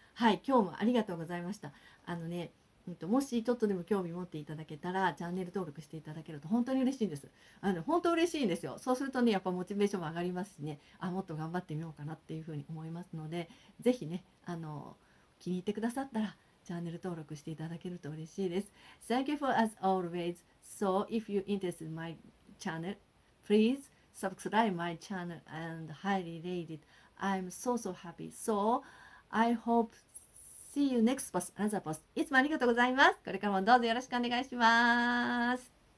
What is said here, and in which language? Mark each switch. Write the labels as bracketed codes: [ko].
[ja] はい、今日もありがとうございました。もしちょっとでも興味持っていただけたら、チャンネル登録していただけると本当に嬉しいんです。本当嬉しいんですよ。そうするとね、やっぱモチベーションも上がりますしね、あ、もっと頑張ってみようかなっていうふうに思いますので、ぜひね、気に入ってくださったらチャンネル登録していただけると嬉しいです。 [en] Thank you for as always. So if you interested in my channel, please subscribe my channel and highly rate it. I'm so so happy. So I hope see you next post, another post. [ja] いつもありがとうございます。これからもどうぞよろしくお願いします。